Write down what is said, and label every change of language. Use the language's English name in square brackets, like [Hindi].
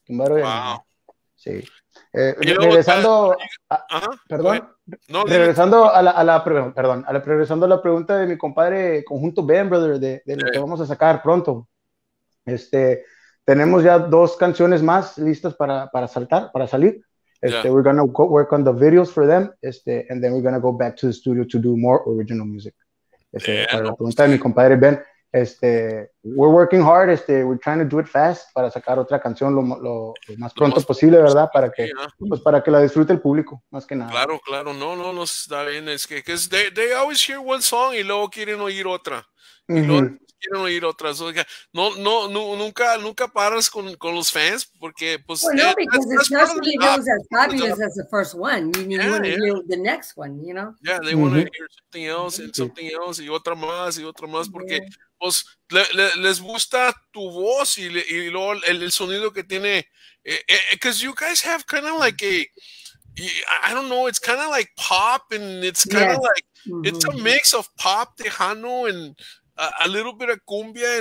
[Spanish] Tumbero y sí. Regresando, perdón. Regresando a la pregunta de mi compadre conjunto Ben Brother de lo que vamos a sacar pronto. Tenemos ya dos canciones más listas para salir. [English] We're gonna work on the videos for them. And then we're gonna go back to the studio to do more original music. [Spanish] La pregunta de mi compadre Ben. [English] We're working hard. We're trying to do it fast [Spanish] para sacar otra canción lo más pronto posible, ¿verdad? Para que la disfrute el público, más que nada. Claro. No está bien. Es que [English] they always hear one song [Spanish] y luego quieren oír otra. Quieren oír otras. O sea, nunca paras con los fans porque pues. [English] Well, no, because it's not as fabulous as the first one. You want to hear the next one, Yeah, they want to hear something else and something else [Spanish] y otra más porque. [English] Yeah. [Spanish] Pues les gusta tu voz y luego el sonido que tiene. [English] Because you guys have kind of like a, I don't know, it's kind of like pop and it's kind of like, it's a mix of pop, Tejano, and a little bit of cumbia.